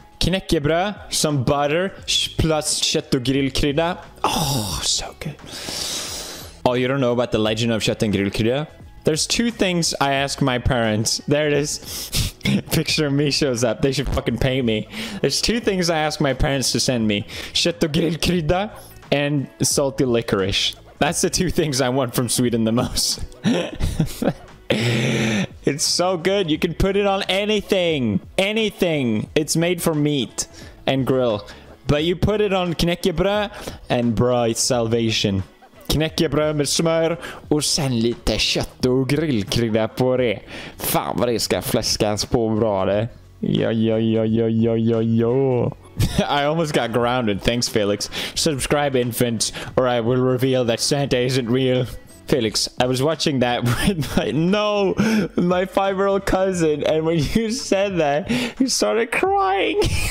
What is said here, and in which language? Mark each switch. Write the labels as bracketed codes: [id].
[en] Knäckebröd, some butter, plus kött och grillkrydda. Oh, so good. Oh, you don't know about the legend of kött och grillkrydda? There's two things I ask my parents. There it is. Picture of me shows up. They should fucking pay me. There's two things I ask my parents to send me. Kött och grillkrydda and salty licorice. That's the two things I want from Sweden the most. It's so good. You can put it on anything. Anything. It's made for meat and grill. But you put it on knäckebröd and bro, it's salvation. [sv] Knäckebröd med smör och sen lite kött och grillkrydda på det. Fan vad det ska fläskas på bra det. [en] Yo. I almost got grounded. Thanks, Felix. Subscribe, infants, or I will reveal that Santa isn't real. Felix, I was watching that with my five-year-old cousin, and when you said that, he started crying.